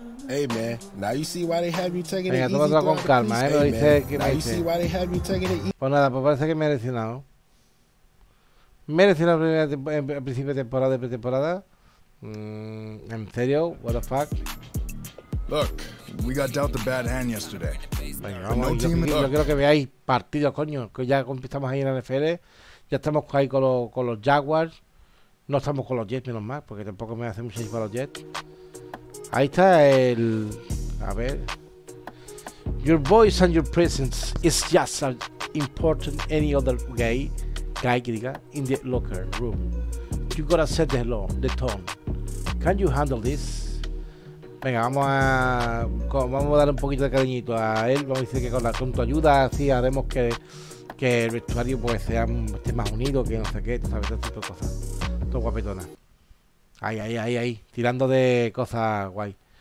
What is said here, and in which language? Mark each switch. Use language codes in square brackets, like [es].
[en] Hey man, now you see why they have you taking [es] venga, [en] it easy. [es] Venga, toma con calma, ¿eh? Hey, dice, [en] now [es] que [en] now you see why they have you taking it easy. [es] Pues nada, pues parece que me he lesionado. Me he lesionado al principio de temporada y pretemporada. En serio, [en] what the fuck. Look, we got dealt a bad hand yesterday. [es] Venga, vamos, no yo quiero que veáis partidos, coño, que ya estamos ahí en la NFL. Ya estamos ahí con los Jaguars. No estamos con los Jets, menos mal, porque tampoco me hace mucho tiempo los Jets. Ahí está el... A ver... [en] Your voice and your presence is just as important as any other gay, guy [es] que diga, [en] in the locker room. You gotta set the law, the tone. Can you handle this? [es] Venga, vamos a dar un poquito de cariñito a él. Vamos a decir que con tu ayuda así haremos que el vestuario pues sea esté más unido, que no sé qué, tú sabes, todo tipo de cosas. Todo guapetona. Ahí. Tirando de cosas guay.